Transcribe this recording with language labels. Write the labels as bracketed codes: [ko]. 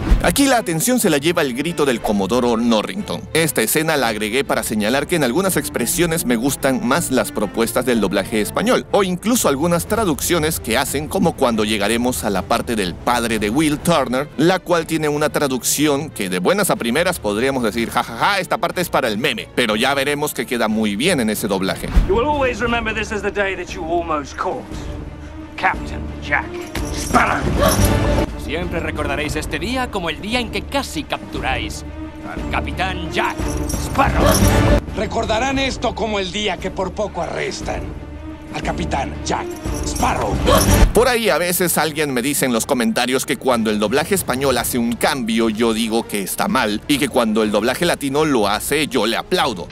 [es] Aquí la atención se la lleva el grito del comodoro Norrington. Esta escena la agregué para señalar que en algunas expresiones me gustan más las propuestas del doblaje español, o incluso algunas traducciones que hacen, como cuando llegaremos a la parte del padre de Will Turner, la cual tiene una traducción que de buenas a primeras podríamos decir jajaja, esta parte es para el meme, pero ya veremos que queda muy bien en ese doblaje. [en] You will always remember this as the day that you almost caught Captain Jack Sparrow. [es] Siempre recordaréis este día como el día en que casi capturáis al Capitán Jack Sparrow. Recordarán esto como el día que por poco arrestan al Capitán Jack Sparrow. Por ahí a veces alguien me dice en los comentarios que cuando el doblaje español hace un cambio yo digo que está mal, y que cuando el doblaje latino lo hace yo le aplaudo.